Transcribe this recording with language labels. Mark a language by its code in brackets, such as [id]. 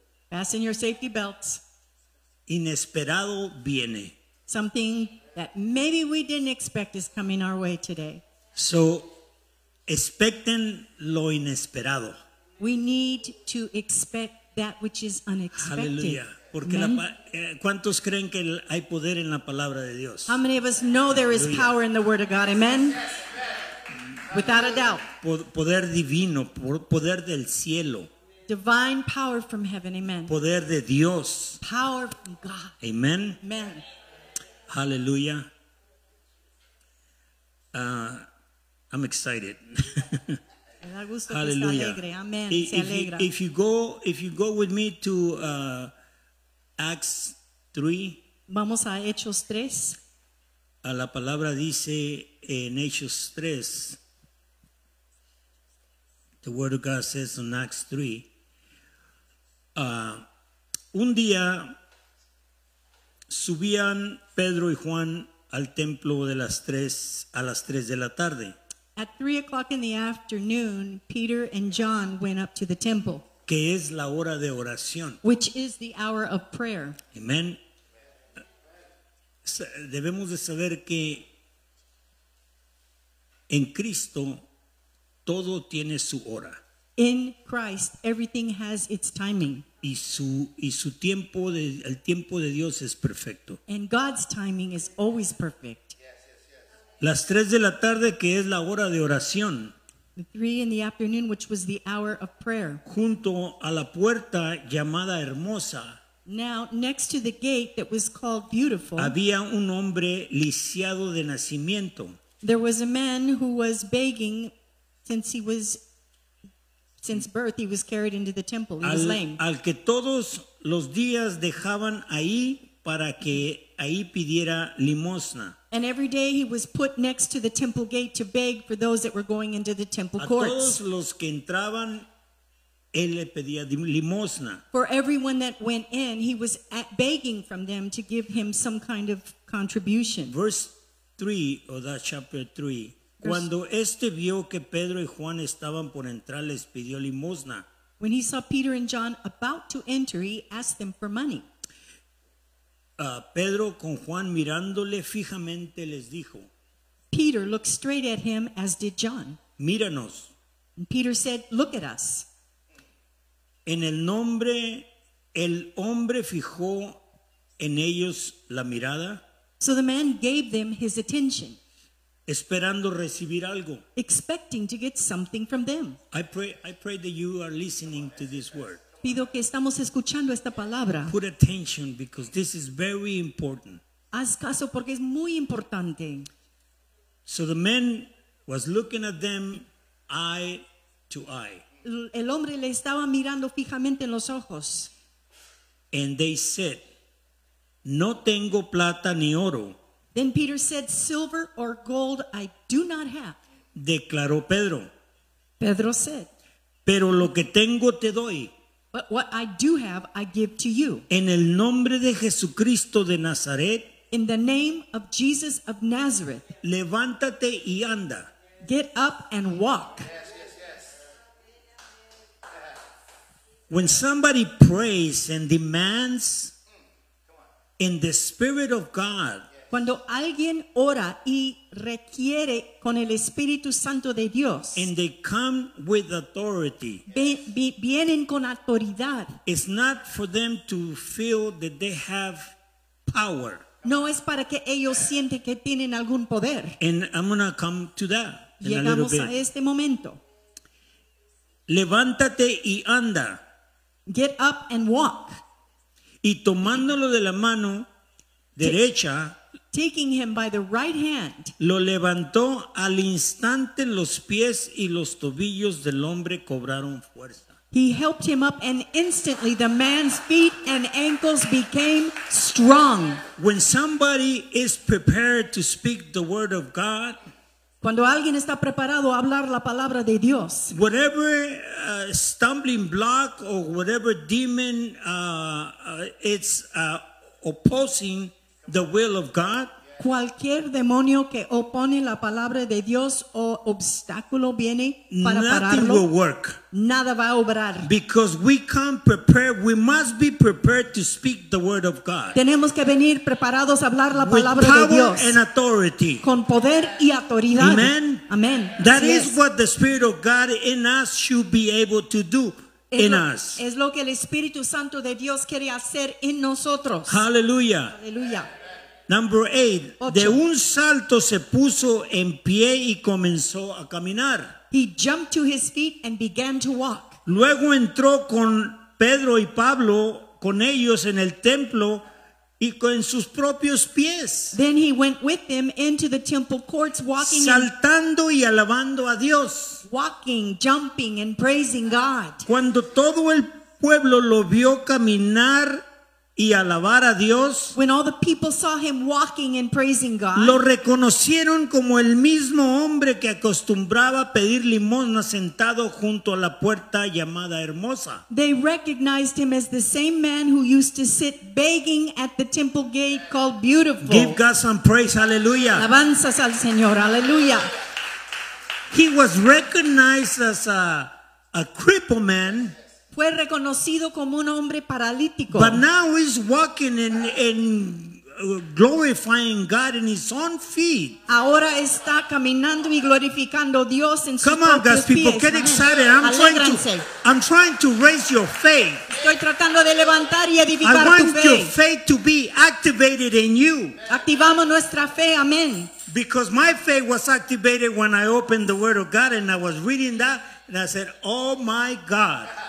[en] Fasten your safety belts. [es] Inesperado viene. [en] Something that maybe we didn't expect is coming our way today. [es] So, expecten lo inesperado. [en] We need to expect that which is unexpected. Hallelujah. [es] Porque la, ¿cuántos creen que hay poder en la palabra de Dios? [en] How many of us know there is power in the word of God? Amen. Without a doubt. [es] Poder divino, poder del cielo. [en] Divine power from heaven, amen. [es] Poder de Dios. [en] Power from God. Amen. Amen. Hallelujah. I'm excited. Hallelujah. Amen. If you go with me to Acts 3. [es] Vamos a Hechos 3. A la palabra dice en Hechos 3. [en] The word of God says in Acts 3. [es] Un día subían Pedro y Juan al templo de a las tres de la tarde. [en] At 3 o'clock in the afternoon, Peter and John went up to the temple. [es] Que es la hora de oración. [en] Which is the hour of prayer. Amen. [es] Debemos de saber que en Cristo todo tiene su hora. [en] In Christ, everything has its timing. [es] Y su tiempo de, el tiempo de Dios es perfecto. [en] And God's timing is always perfect. Yes, yes, yes. [es] Las tres de la tarde, que es la hora de oración. [en] The 3 in the afternoon, which was the hour of prayer. [es] Junto a la puerta llamada Hermosa. [en] Now, next to the gate that was called Beautiful. [es] Había un hombre lisiado de nacimiento. [en] There was a man who was begging since he was... Since birth, he was carried into the temple. He was lame. [es] Al que todos los días dejaban ahí para que ahí pidiera limosna. [en] And every day he was put next to the temple gate to beg for those that were going into the temple courts. [es] A todos los que entraban, él le pedía limosna. [en] For everyone that went in, he was begging from them to give him some kind of contribution. Verse 3 of that chapter 3. [es] Cuando este vio que Pedro y Juan estaban por entrar, les pidió limosna. [en] When he saw Peter and John about to enter, he asked them for money. [es] Pedro con Juan mirándole fijamente les dijo. [en] Peter looked straight at him, as did John. [es] Míranos. [en] And Peter said, look at us. [es] En el nombre, el hombre fijó en ellos la mirada. [en] So the man gave them his attention. [es] Esperando recibir algo. [en] Expecting to get something from them. I pray that you are listening to this word. [es] Pido que estamos escuchando esta palabra. [en] Put attention because this is very important. [es] Haz caso porque es muy importante. [en] So the man was looking at them eye to eye. [es] El hombre le estaba mirando fijamente en los ojos. [en] And they said, [es] no tengo plata ni oro. [en] Then Peter said, silver or gold I do not have. [es] Declaró Pedro. [en] Pedro said. [es] Pero lo que tengo te doy. [en] But what I do have, I give to you. [es] En el nombre de Jesucristo de Nazaret. [en] In the name of Jesus of Nazareth. [es] Levántate y anda. [en] Get up and walk. When somebody prays and demands in the Spirit of God. [es] Cuando alguien ora y requiere con el Espíritu Santo de Dios. [en] And they come with authority. [es] Vienen con autoridad. [en] It's not for them to feel that they have power. [es] No es para que ellos sienten que tienen algún poder. [en] And I'm going to come to that. [es] Llegamos [en] in a, little [es] a este momento. Levántate y anda. [en] Get up and walk. [es] Y tomándolo de la mano derecha. [en] Taking him by the right hand. [es] Lo levantó al instante los pies y los tobillos del hombre cobraron fuerza. [en] He helped him up and instantly the man's feet and ankles became strong. When somebody is prepared to speak the word of God. [es] Cuando alguien está preparado a hablar la palabra de Dios. [en] Whatever stumbling block or whatever demon it's opposing the will of God. [es] Cualquier demonio que opone la palabra de Dios o obstáculo viene para [en] nothing [es] pararlo. [en] Nothing will work. [es] Nada va a obrar. [en] Because we come prepared, we must be prepared to speak the word of God. [es] Tenemos que venir preparados a hablar la palabra [en] with [es] de Dios. [en] With power and authority. [es] Con poder y autoridad. [en] Amen. Amen. That is what the Spirit of God in us should be able to do. In us. [es] Es lo que el Espíritu Santo de Dios quiere hacer en nosotros. [en] Hallelujah. Hallelujah. Number 8, [es] de un salto se puso en pie y comenzó a caminar. [en] He jumped to his feet and began to walk. [es] Luego entró con Pedro y Pablo, con ellos en el templo, y con sus propios pies. [en] Then he went with them into the temple courts, walking. [es] Saltando y alabando a Dios. [en] Walking, jumping, and praising God. [es] Cuando todo el pueblo lo vio caminar y alabar a Dios, [en] when all the people saw him walking and praising God, [es] lo reconocieron como el mismo hombre que acostumbraba pedir limosna sentado junto a la puerta llamada Hermosa. [en] They recognized him as the same man who used to sit begging at the temple gate called Beautiful. Give God some praise, hallelujah. [es] Alabanzas al Señor, hallelujah. [en] He was recognized as a crippled man. [es] Fue reconocido como un hombre paralítico. [en] But now he's walking and glorifying God in his own feet. [es] Ahora está caminando y glorificando Dios en sus propios pies. [en] Come on, God's people, get excited. I'm trying to raise your faith. [es] Estoy tratando de levantar y edificar tu fe. [en] I want your faith to be activated in you. [es] Activamos nuestra fe, amén. [en] Because my faith was activated when I opened the Word of God and I was reading that and I said, oh my God.